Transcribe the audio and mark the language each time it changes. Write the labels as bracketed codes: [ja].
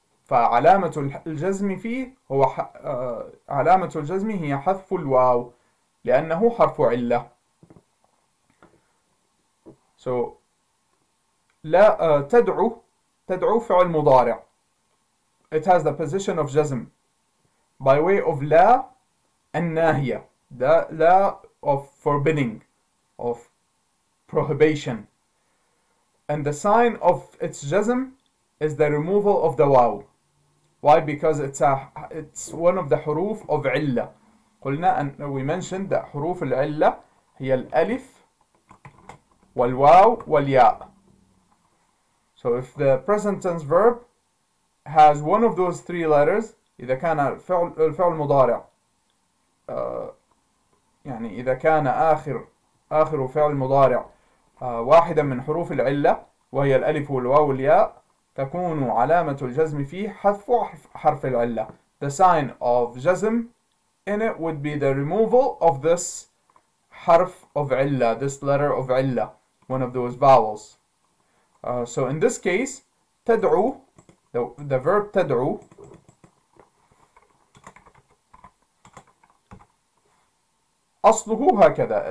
[ar] فعلامة الجزم فيه هو علامة الجزم هي حذف الواو لأنه حرف علة. So لا تدعو, فعل مضارع. [en] It has the position of جزم by way of لا الناهية, the law of forbidding, of prohibition. And the sign of its جزم is the removal of the واو. Why? Because it's a, it's one of the حروف of علة. [ar] قلنا أن [en] we mentioned that [ar] حروف العلة هي الألف والواو والياء. [en] So if the present tense verb has one of those three letters, [ar] إذا كان الفعل, مضارع يعني إذا كان آخر, فعل مضارع واحدا من حروف العلة وهي الألف والواو والياء, تكون علامة الجزم فيه حذف حرف العلة. [en] The sign of جزم in it would be the removal of this حرف of علة, this letter of علة, one of those vowels. So in this case, تدعو, the verb تدعو [ar] أصله هكذا.